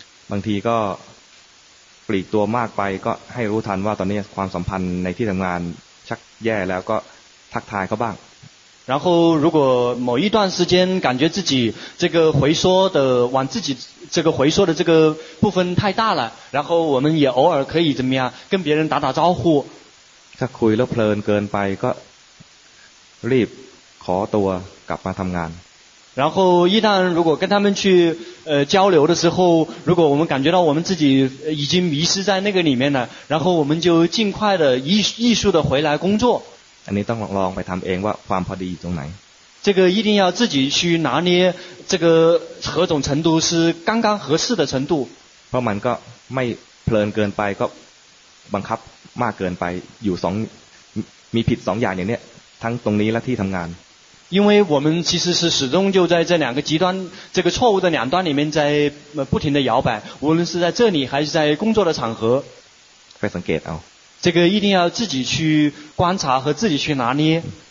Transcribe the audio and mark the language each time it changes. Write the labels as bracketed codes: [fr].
[th] บางทีก็ปลีกตัวมากไปก็ให้รู้ทันว่าตอนนี้ความสัมพันธ์ในที่ทำงานชักแย่แล้วก็ทักทายเขาบ้าง [zh] 然后如果某一段时间感觉自己这个回缩的往自己这个回缩的这个部分太大了然后我们也偶尔可以怎么样跟别人打打招呼 [th] ถ้าคุยแล้วเพลินเกินไปก็รีบขอตัวกลับมาทำงาน [zh] 然后一旦如果跟他们去交流的时候如果我们感觉到我们自己已经迷失在那个里面了然后我们就尽快的艺术的回来工作 [th] อันนี้ต้องลองไปทำเองว่าความพอดีอยู่ตรงไหน [zh] 这个一定要自己去拿捏这个何种程度是刚刚合适的程度 [th] เพราะมันก็ไม่เพลินเกินไปก็บังคับมากเกินไปอยู่สองมีผิดสองอย่างอย่างเนี้ยทั้งตรงนี้และที่ทำงาน [zh] 因为我们其实是始终就在这两个极端这个错误的两端里面在不停的摇摆无论是在这里还是在工作的场合 [th] ไปสังเกตเอา [zh] 这个一定要自己去观察和自己去拿捏。